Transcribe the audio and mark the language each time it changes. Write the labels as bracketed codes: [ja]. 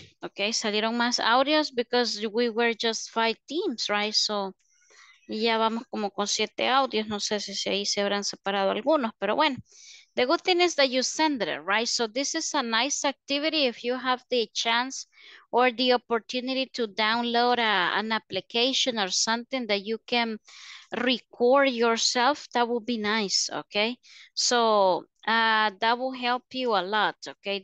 [en] Okay, [es] salieron más audios [en] because we were just 5 teams, right? [es] So ya vamos como con 7 audios. No sé si ahí se habrán separado algunos, pero bueno. [en] The good thing is that you send it, right? So this is a nice activity if you have the chance or the opportunity to download an application or something that you can record yourself, that would be nice, okay? So that will help you a lot, okay?